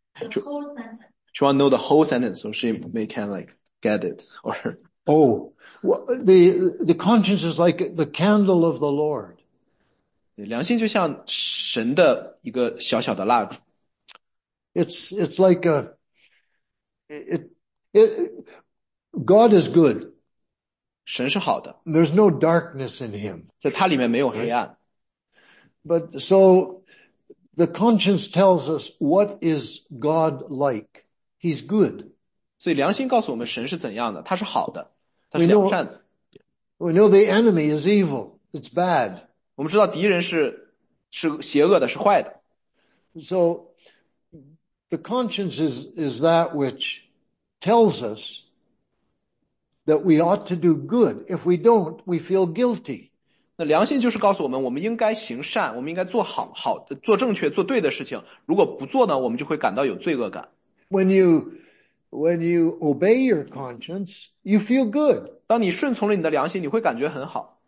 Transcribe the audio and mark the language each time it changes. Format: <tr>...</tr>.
<en>She want to know the whole sentence so she may can like get it or. Oh, well, the conscience is like the candle of the Lord.</en> <zh>良心就像神的一个小小的蜡烛。</zh> <en>It's like a it God is good.</en> <zh>神是好的，</zh> <en>There's no darkness in him,</en> <zh>在他里面没有黑</zh> <en>right?</en> <zh>暗。</zh> <en>But so the conscience tells us what is God like. He's good.</en> <zh>所以良心告诉我们神是怎样的，他是好的，他</zh> <en>We</en> <zh>是良善的。</zh> <en>know the enemy is evil. It's bad.</en> <zh>我们知道敌人是邪恶的，是坏的。</zh> <en>So the conscience is that which tells us that we ought to do good. If we don't, we feel guilty.</en> <zh>那良心就是告诉我们，我们应该行善，我们应该做好好的，做正确、做对的事情。如果不做呢，我们就会感到有罪恶感。</zh> <en>When you obey your conscience, you feel good.</en> <zh>当你顺从了你的良心，你会感觉很好，</zh>